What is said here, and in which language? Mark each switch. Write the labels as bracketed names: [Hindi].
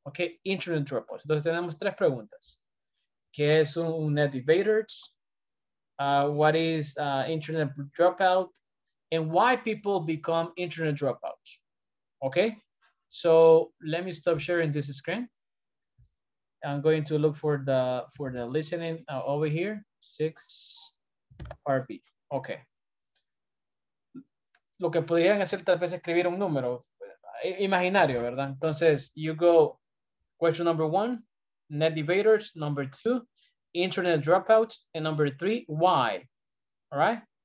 [English] Okay, internet dropouts. [Spanish] Entonces tenemos tres preguntas. ¿Qué es un net evaders? [English] What is internet dropout? and why people become internet dropouts. Okay, so let me stop sharing this screen. I'm going to look for the listening over here, 6RB, okay. [Spanish] Lo que podrían hacer tal vez escribir un número imaginario, ¿verdad? [English] Entonces, you go question number one, net deviators, number two, internet dropouts, and number three, why, all right?